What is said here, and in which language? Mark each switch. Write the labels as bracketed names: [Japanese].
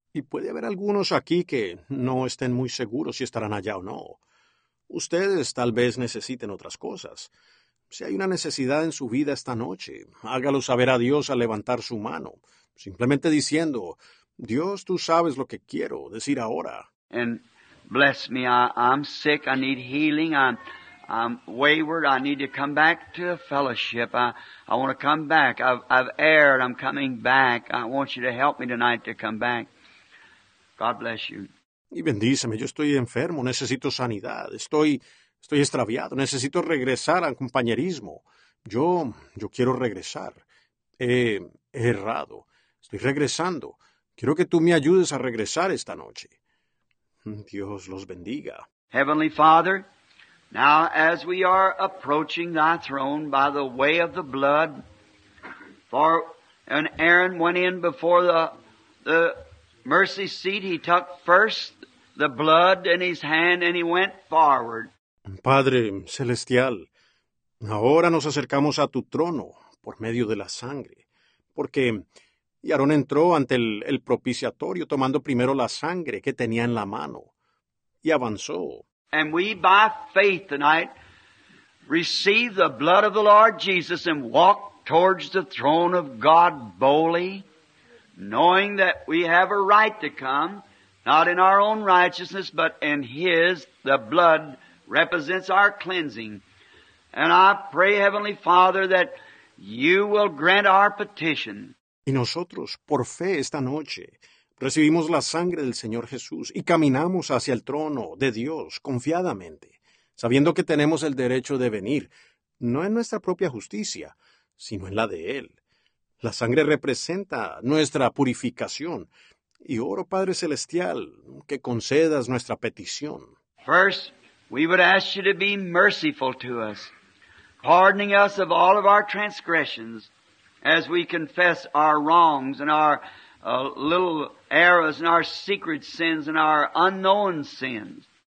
[Spanish] Y puede haber algunos aquí que no estén muy seguros si estarán allá o no. Ustedes tal vez necesiten otras cosas. Si hay una necesidad en su vida esta noche, hágalo saber a Dios al levantar su mano, simplemente diciendo, Dios, tú sabes lo que quiero decir ahora. [English] And bless me, I'm sick, I need healing, I'm wayward, I need to come back to a fellowship, I want to come back, I've erred, I'm coming back, I want you to help me tonight to come back. God bless you. [Spanish] Y bendíceme, yo estoy enfermo, necesito sanidad, estoy extraviado, necesito regresar al compañerismo, yo quiero regresar, he errado, estoy regresando. Quiero que tú me ayudes a regresar esta noche. Dios los bendiga. [English] Heavenly Father, now as we are approaching thy throne by the way of the blood, for an Aaron went in before the mercy seat, he took first the blood in his hand and he went forward. [Spanish] Padre celestial, ahora nos acercamos a tu trono por medio de la sangre, porque y Aarón entró ante el propiciatorio, tomando primero la sangre que tenía en la mano, y avanzó. [English] And we, by faith tonight, receive the blood of the Lord Jesus and walk towards the throne of God boldly, knowing that we have a right to come, not in our own righteousness, but in His. The blood represents our cleansing. And I pray, Heavenly Father, that You will grant our petition. [Spanish] Y nosotros, por fe esta noche, recibimos la sangre del Señor Jesús y caminamos hacia el trono de Dios confiadamente, sabiendo que tenemos el derecho de venir, no en nuestra propia justicia, sino en la de Él. La sangre representa nuestra purificación. Y oro, Padre Celestial, que concedas nuestra petición. [English] First, we would ask you to be merciful to us, pardoning us of all of our transgressions, as we confess our wrongs and our little errors and our secret sins and our unknown sins.